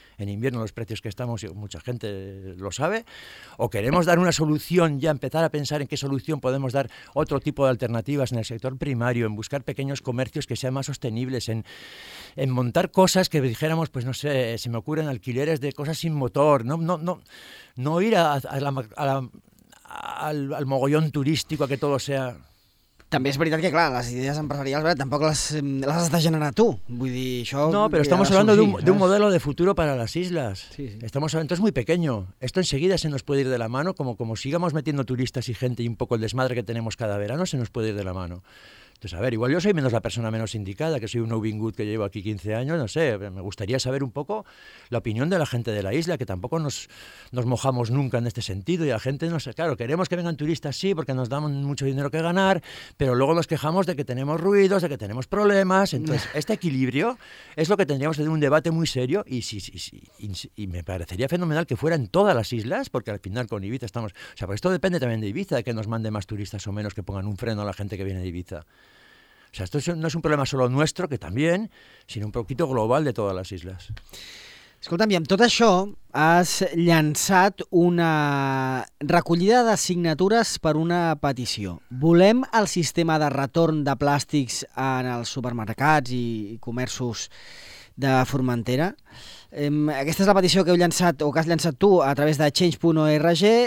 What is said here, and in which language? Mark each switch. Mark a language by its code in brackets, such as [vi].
[es] En invierno los precios que estamos, mucha gente lo sabe. O queremos dar una solución, ya empezar a pensar en qué solución podemos dar, otro tipo de alternativas en el sector primario, en buscar pequeños comercios que sean más sostenibles, en montar cosas que dijéramos, pues no sé, se me ocurren alquileres de cosas sin motor, no ir al mogollón turístic, a que tot sea. [ca] També és veritat que, clar, les idees empresarials tampoc les has de generar tu. Vull dir, això... No, però estem parlant d'un model de futur per a les isles. [es] Esto es muy pequeño. Esto enseguida se nos puede ir de la mano. Como sigamos metiendo turistas y gente y un poco el desmadre que tenemos cada verano, se nos puede ir de la mano. Entonces, a ver, igual yo soy menos la persona menos indicada, que soy un Ubin Good que llevo aquí 15 años, no sé, me gustaría saber un poco la opinión de la gente de la isla, que tampoco nos mojamos nunca en este sentido, y la gente, no sé, claro, queremos que vengan turistas, sí, porque nos damos mucho dinero que ganar, pero luego nos quejamos de que tenemos ruidos, de que tenemos problemas, entonces, este equilibrio es lo que tendríamos que tener un debate muy serio, y me parecería fenomenal que fuera en todas las islas, porque al final con Ibiza estamos, o sea, pues esto depende también de Ibiza, de que nos mande más turistas o menos, que pongan un freno a la gente que viene de Ibiza. O sea, esto no es un problema solo nuestro, que también, sino un poquito global de todas las islas. [ca] Escolta'm, i amb tot això has llançat una recollida de signatures per una petició. Volem el sistema de retorn de plàstics en els supermercats i comerços de Formentera? Aquesta és la petició que heu llançat o que has llançat tu a través de change.org.